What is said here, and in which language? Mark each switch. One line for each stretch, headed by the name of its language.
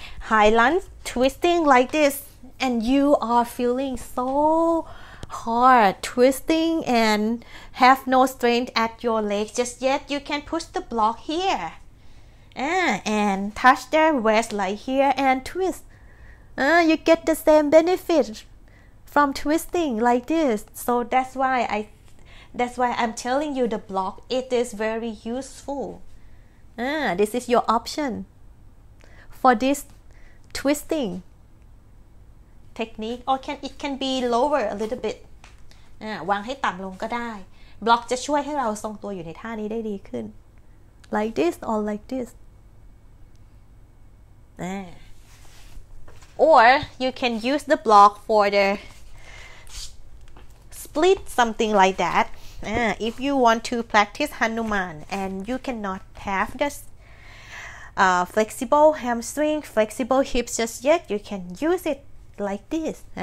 English: high lunge, twisting like this, and you are feeling so hard, twisting and have no strength at your leg just yet, you can push the block here, and touch the waist like here and twist. You get the same benefit from twisting like this. So that's why I'm telling you the block, it is very useful. This is your option for this twisting technique. Or it can be lower a little bit.
Thai: วางให้ต่ำลงก็ได้ Block จะช่วยให้เราทรงตัวอยู่ในท่านี้ได้ดีขึ้น
English: Like this or like this. Or you can use the block for the split something like that. If you want to practice Hanuman and you cannot have the flexible hamstring, flexible hips just yet, you can use it like this.